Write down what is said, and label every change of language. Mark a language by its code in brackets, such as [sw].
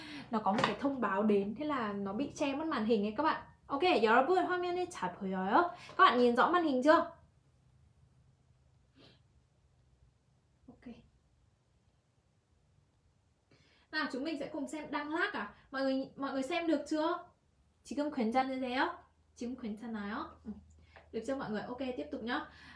[vi] Nó có một cái thông báo đến, thế là nó bị che mất màn hình ấy các bạn. [ko] Ok, 여러분 화면이 잘 보여요? [vi] Các bạn nhìn rõ màn hình chưa? Nào, chúng mình sẽ cùng xem đang lag à? Mọi người xem được chưa? [ko] 지금 괜찮으세요? 지금 괜찮아요? [vi] Được chưa mọi người? Ok, tiếp tục nhá.